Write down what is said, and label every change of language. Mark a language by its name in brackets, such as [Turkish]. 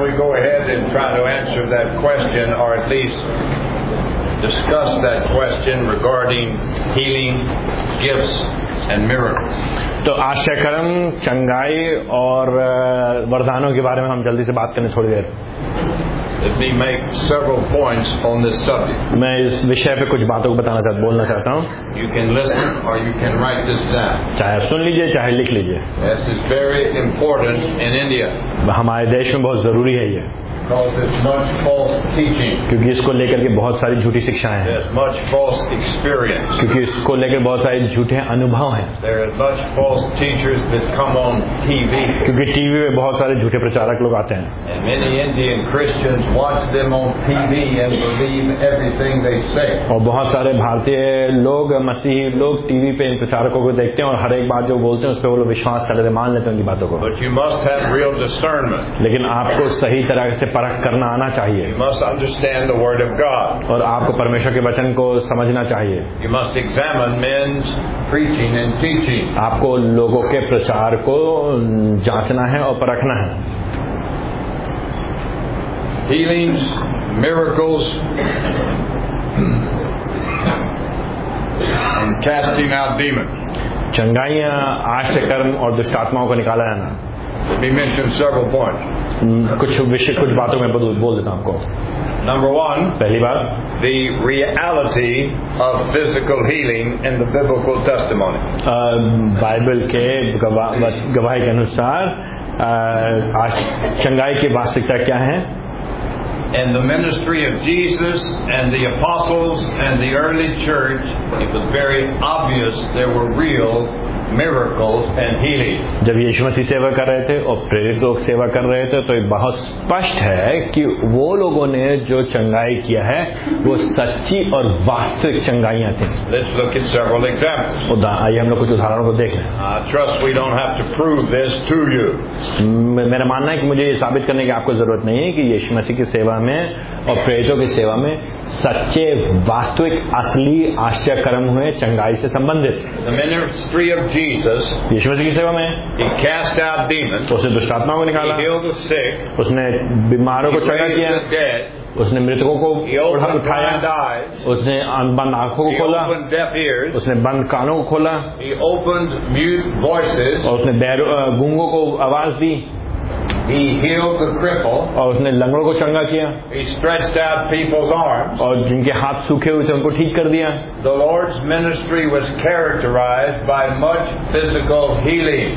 [English] we go ahead and try to answer that question, or at least discuss that question regarding healing, gifts, and miracles. [Hindi] तो आश्चर्यकर्म, चंगाई और वरदानों के बारे में हम जल्दी से बात करने थोड़ी देर. [English] Let me make several points on this subject. [Hindi] मैं इस विषय पे कुछ बातों को बताना चाहता, बोलना चाहता हूँ. [English] You can listen or you can write this down. [Hindi] चाहे सुन लीजिए, चाहे लिख लीजिए. [English] This is very important in India. [Hindi] हमारे देश में बहुत जरूरी है ये. [English] Because there's much false teaching. [Hindi] क्योंकि इसको लेकर के बहुत सारी झूठी शिक्षाएं हैं. [English] There's much false experience. [Hindi] क्योंकि इसको लेकर बहुत सारे झूठे अनुभव हैं. [English] There are much false teachers that come on TV. [Hindi] क्योंकि टीवी में बहुत सारे झूठे प्रचारक लोग आते हैं. [English] And many Indian Christians watch them on TV and believe everything they say. [Hindi] और बहुत सारे भारतीय लोग, मसीही लोग टीवी पे इन प्रचारकों को देखते हैं और हर एक बात जो बोलते हैं उस पर वो लोग विश्वास कर लेते, मान लेते हैं उनकी बातों को. [English] But you must have real discernment. [Hindi] लेकिन आपको सही तरह से परख करना आना चाहिए. [English] You must understand the word of God. [Hindi] और आपको परमेश्वर के वचन को समझना चाहिए. [English] You must examine men's preaching and teaching. [Hindi] आपको लोगों के प्रचार को जांचना है और परखना है. [English] Healings, miracles, and casting out demons. [Hindi] चंगाइयां, आश्चर्यकर्म और दुष्टात्माओं को निकाला जाना. [English] Let me mention several points. [Hindi] कुछ विषय, कुछ बातों में बोल देता हूँ आपको. [English] Number one, [Hindi] पहली बात, [English] the reality of physical healing in the biblical testimony. [Hindi] Bible के गवाही के अनुसार चंगाई की वास्तविकता क्या है. [English] And the ministry of Jesus and the apostles and the early church, it was very obvious there were real miracles and healings. [Hindi] जब यीशु मसीह सेवा कर रहे थे और प्रेरित लोग सेवा कर रहे थे तो ये बहुत स्पष्ट है कि वो लोगों ने जो चंगाई किया है वो सच्ची और वास्तविक चंगाइयां थी. [English] Let's look at several examples. [Hindi] आइए हम लोग कुछ उदाहरणों को देखें. [English] I trust we don't have to prove this to you. [Hindi] मेरा मानना है कि मुझे ये साबित करने की आपको जरूरत नहीं है कि यीशु मसीह की सेवा में और प्रेरितों की सेवा में सच्चे, वास्तविक, असली आश्चर्यकर्म हुए चंगाई से संबंधित. [English] The ministry of Jesus, [Hindi] यीशु मसीह की सेवा में, [English] he cast out demons, [Hindi] उसने दुष्टात्माओं को निकाला, [English] he healed the sick, [Hindi] उसने बीमारों को चंगा किया, [English] he raised the dead, [Hindi] उसने मृतकों को उठाया, उसने बंद आंखों को खोला, उसने बंद कानों को खोला, [English] he opened mute voices, [Hindi] और उसने गूंगों को आवाज दी, [English] he healed the cripple, [Hindi] और उसने लंगड़ों को चंगा किया, [English] he stretched out people's arms, [Hindi] और जिनके हाथ सूखे हुए थे उनको ठीक कर दिया. [English] The Lord's ministry was characterized by much physical healing.